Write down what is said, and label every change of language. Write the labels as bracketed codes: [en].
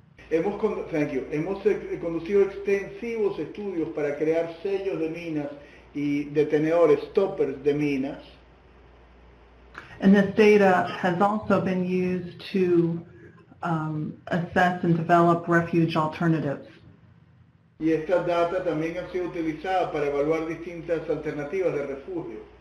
[es] Hemos conducido extensivos estudios para crear sellos de minas y detenedores, stoppers de minas. [en] And this data has also been used to assess and develop refuge alternatives. [es] Y esta data también ha sido utilizada para evaluar distintas alternativas de refugio.